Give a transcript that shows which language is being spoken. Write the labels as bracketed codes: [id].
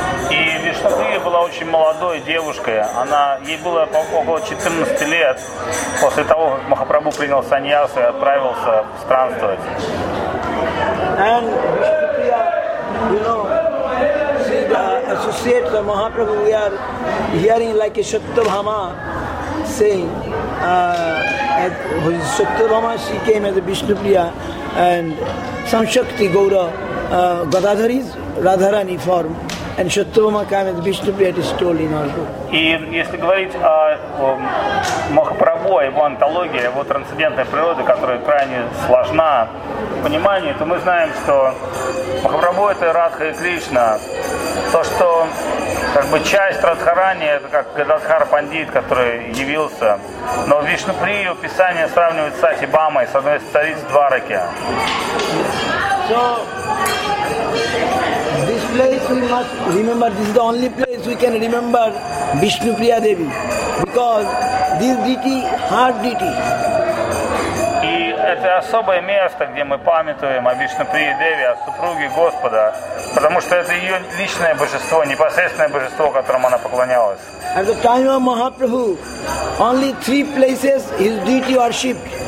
[ru] И Вишнуприя была очень молодой девушкой. Она, ей было около 14 лет после того, как Махапрабху принял саньясу и отправился странствовать. [en] And Vishnupriya, you know, the associates of Mahaprabhu, we are hearing like a Shatabhama saying, Shatabhama, she came as a Vishnupriya, and some Shakti Gaura, Gadadhari is Radharani form. And Shatabhama came as Vishnupriya, it is told in our book. [ru] И если говорить о Махапрабху, о его антологии, о его трансцендентной природе, которая крайне сложна в понимании, то мы знаем, что Махапрабху — это Радха и Кришна. То, что как бы часть Радхарани — это как Гададхар Пандит, который явился. Но Вишнуприю писание сравнивает с Сати Бамой, с одной из цариц Двараки. [en] So, this place we must remember, this is the only place we can remember Vishnupriya Devi, because this deity, her deity. [ru] И это особое место, где мы памятуем о Вишнуприи Деви, о супруге Господа, потому что это ее личное божество, непосредственное божество, которому она поклонялась. [en] At the time of Mahaprabhu, only three places his deity worshipped.